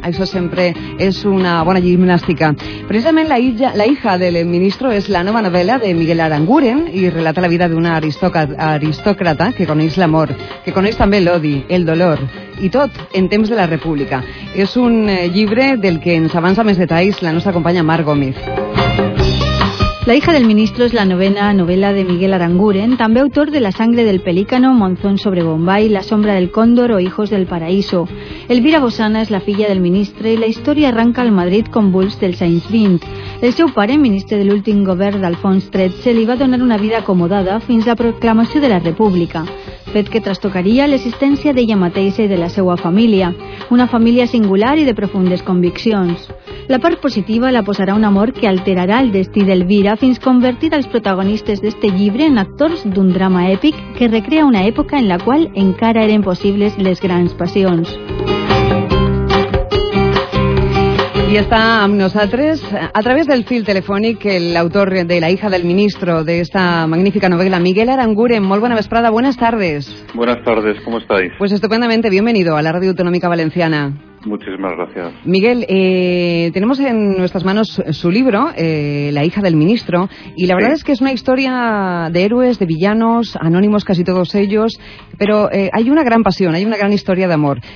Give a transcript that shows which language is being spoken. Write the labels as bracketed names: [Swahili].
[Catalan] Això sempre és una bona gimnàstica. Precisament la hija del ministro és la nova novel·la de Miguel Aranguren i relata la vida d'una aristòcrata que coneix l'amor, que coneix també l'odi, el dolor i tot en temps de la República. És un llibre del que ens avança més detalls la nostra companya Mar Gómez. [Spanish] La hija del ministro es la novena novela de Miguel Aranguren, también autor de La sangre del pelícano, Monzón sobre Bombay, La sombra del cóndor o Hijos del paraíso. [Catalan] Elvira Bosana es la filla del ministro y la historia arranca al Madrid convuls del Saint Vint. El seu pare, ministro del últim govern d'Alfons XIII, li va donar una vida acomodada fins a la proclamació de la República. Fet que trastocaria l'existència d'ella mateixa i de la seva família, una família singular i de profundes conviccions. La part positiva la posarà un amor que alterarà el destí d'Elvira fins a convertir els protagonistes d'este llibre en actors d'un drama èpic que recrea una època en la qual encara eren possibles les grans passions. I està amb nosaltres, a través del fil telefònic, l'autor de La hija del ministro, d'esta magnífica novel·la, Miguel Aranguren. Molt bona vesprada, [Spanish] buenas tardes. Buenas tardes, ¿cómo estáis? Pues estupendamente, bienvenido a la Radio Autonómica Valenciana. Muchísimas gracias. Miguel, tenemos en nuestras manos su libro, La hija del ministro, y la verdad es que es una historia de héroes, de villanos, anónimos casi todos ellos, pero hay una gran pasión, hay una gran historia de amor.